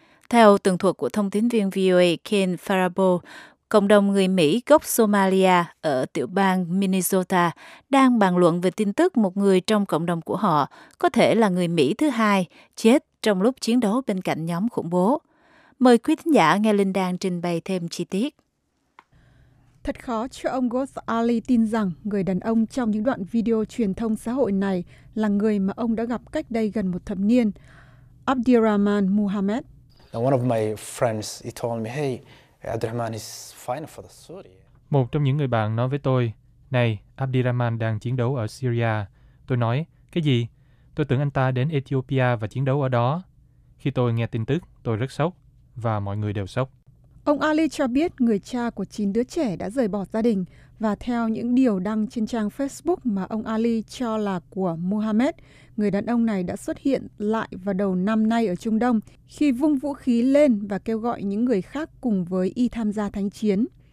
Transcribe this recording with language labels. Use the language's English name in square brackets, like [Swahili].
[Vietnamese] Theo tường thuật của thông tín viên VOA Ken Farabo, cộng đồng người Mỹ gốc Somalia ở tiểu bang Minnesota đang bàn luận về tin tức một người trong cộng đồng của họ, có thể là người Mỹ thứ hai, chết trong lúc chiến đấu bên cạnh nhóm khủng bố. Mời quý thính giả nghe Linh Đan trình bày thêm chi tiết. Thật khó cho ông Ghost Ali tin rằng người đàn ông trong những đoạn video truyền thông xã hội này là người mà ông đã gặp cách đây gần một thập niên, Abdirahman Muhammad. [English] One of my friends, he told me, hey, Abdirahman is fine for the Syria. [Vietnamese] Một trong những người bạn nói với tôi, này, Abdirahman đang chiến đấu ở Syria. Tôi nói, cái gì? Tôi tưởng anh ta đến Ethiopia và chiến đấu ở đó. Khi tôi nghe tin tức, tôi rất sốc, và mọi người đều sốc. Ông Ali cho biết người cha của 9 đứa trẻ đã rời bỏ gia đình, và theo những điều đăng trên trang Facebook mà ông Ali cho là của Muhammad, người đàn ông này đã xuất hiện lại vào đầu năm nay ở Trung Đông khi vung vũ khí lên và kêu gọi những người khác cùng với y tham gia thánh chiến.